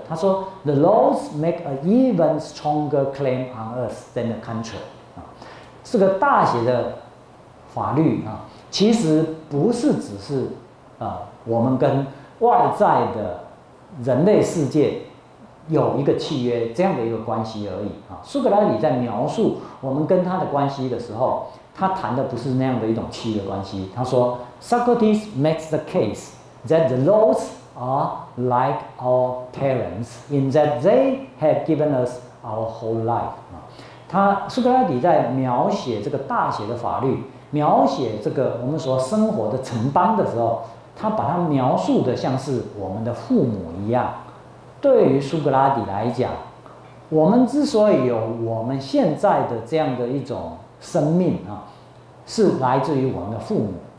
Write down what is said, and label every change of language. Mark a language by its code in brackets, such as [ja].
[zh] 他说 ， [en] The laws make an even stronger claim on us than the country， [zh] 啊，是个大写的法律啊，其实不是只是我们跟外在的人类世界有一个契约这样的一个关系而已啊。苏格拉底在描述我们跟他的关系的时候，他谈的不是那样的一种契约关系，他说。 [en] Socrates makes the case that the laws are like our parents in that they have given us our whole life. [zh] 他苏格拉底在描写这个大写的法律，描写这个我们所生活的城邦的时候，他把它描述的像是我们的父母一样。对于苏格拉底来讲，我们之所以有我们现在的这样的一种生命啊，是来自于我们的父母。